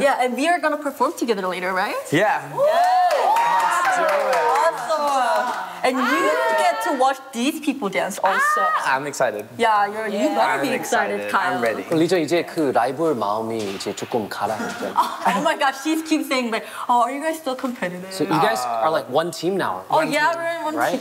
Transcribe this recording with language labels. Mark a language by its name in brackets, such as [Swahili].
[English] Yeah, and we are gonna perform together later, right? Yeah. Yeah. Let's do it. Awesome. And you get to watch these people dance also. Ah, I'm excited. Yeah, you gotta be excited, Kyle. I'm ready. [Korean] 리저 이제 그 라이벌 마음이 이제 조금 가라앉죠. [English] Oh my gosh, she keeps saying like, oh, are you guys still competitive? So you guys are like one team now. Oh one yeah, team, we're in one right?